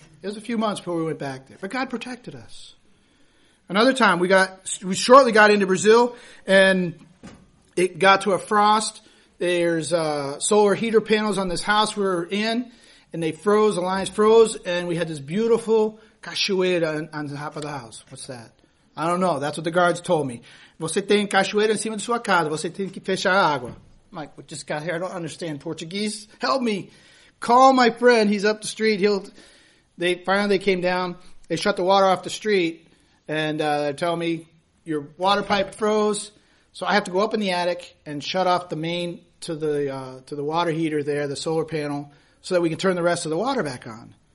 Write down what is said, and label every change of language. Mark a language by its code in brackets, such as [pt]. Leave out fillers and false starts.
[en] It was a few months before we went back there. But God protected us. Another time, we shortly got into Brazil, and it got to a frost. There's solar heater panels on this house we're in, and they froze. The lines froze, and we had this beautiful cachoeira on the top of the house. What's that? I don't know. That's what the guards told me. [pt] Você tem cachoeira em cima de sua casa. Você tem que fechar a água. [en] I'm like, we just got here. I don't understand Portuguese. Help me. Call my friend. He's up the street. They finally came down. They shut the water off the street, and they're telling me your water pipe froze. So I have to go up in the attic and shut off the main to the water heater there, the solar panel, so that we can turn the rest of the water back on.